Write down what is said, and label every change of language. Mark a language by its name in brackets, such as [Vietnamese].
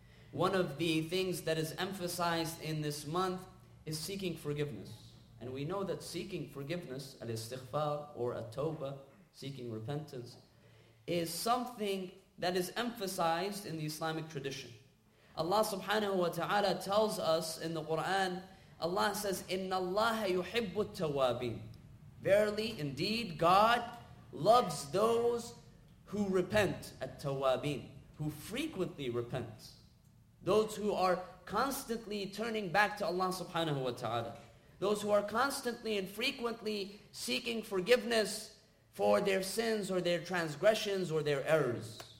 [English] One of the things that is emphasized in this month is seeking forgiveness. And we know that seeking forgiveness, al-istighfar or at-tawbah, seeking repentance, is something that is emphasized in the Islamic tradition. Allah subhanahu wa ta'ala tells us in the Quran [Arabic] Allah says, إِنَّ اللَّهَ يُحِبُّ التَّوَّابِينَ. [English] Verily, indeed, God loves those who repent, التوابين, who frequently repent. Those who are constantly turning back to Allah subhanahu wa ta'ala. Those who are constantly and frequently seeking forgiveness for their sins or their transgressions or their errors.